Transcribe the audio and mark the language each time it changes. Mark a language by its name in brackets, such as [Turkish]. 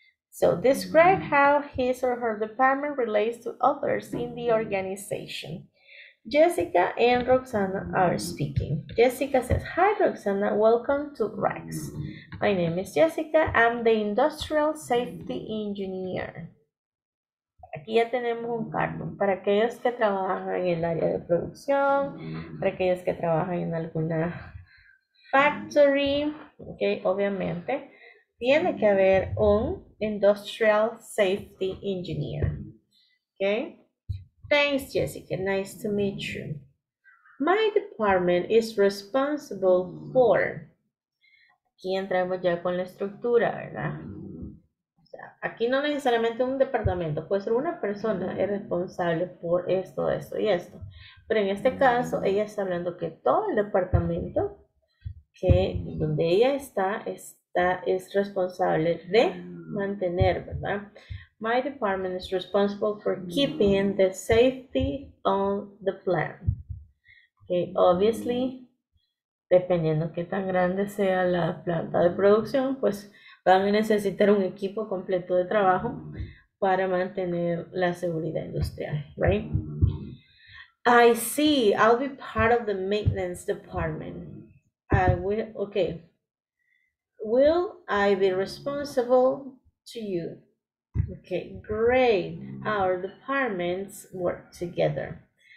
[English] So describe how his or her department relates to others in the organization. Jessica and Roxana are speaking. Jessica says, hi, Roxana, welcome to Rex. My name is Jessica. I'm the industrial safety engineer. [Spanish] aquí ya tenemos un cargo para aquellos que trabajan en el área de producción, para aquellos que trabajan en alguna factory, okay, obviamente, tiene que haber un industrial safety engineer, okay. [English] Thanks, Jessica. Nice to meet you. My department is responsible for. [Spanish] Aquí entramos ya con la estructura, ¿verdad? O sea, aquí no necesariamente un departamento, puede ser una persona es responsable por esto, esto y esto. Pero en este caso, ella está hablando que todo el departamento que donde ella está, está es responsable de mantener, ¿verdad? [English] My department is responsible for keeping the safety on the plan. Okay, obviously, [Spanish] dependiendo qué tan grande sea la planta de producción, pues van a necesitar un equipo completo de trabajo para mantener la seguridad industrial, right? [English] I see, I'll be part of the maintenance department. I will, okay. Will I be responsible to you? Okay, great. Our departments work together.